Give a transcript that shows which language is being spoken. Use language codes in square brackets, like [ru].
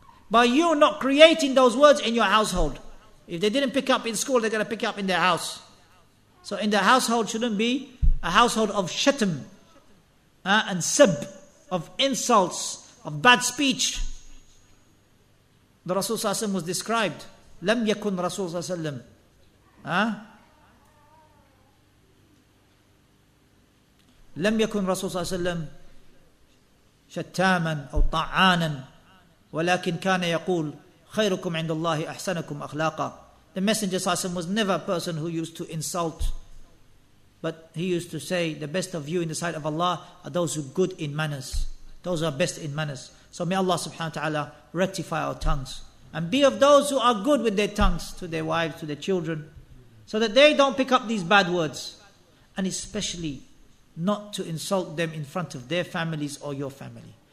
[en] By you not creating those words in your household. If they didn't pick up in school, they're going to pick up in their house. So in the household shouldn't be a household of shatam and sab, of insults, of bad speech. The Rasul Sallallahu Alaihi was described. [ar] Lam yakun Rasul Sallallahu لم يكن رسول صلى الله عليه وسلم شتاما أو طعانا ولكن كان يقول خيركم عند الله أحسنكم أخلاقا. [en] The Messenger [ar] صلى الله عليه وسلم [en] was never a person who used to insult But he used to say, the best of you in the sight of Allah are those who are good in manners. Those who are best in manners. So may Allah subhanahu wa ta'ala rectify our tongues. And be of those who are good with their tongues to their wives, to their children. So that they don't pick up these bad words. And especially not to insult them in front of their families or your family.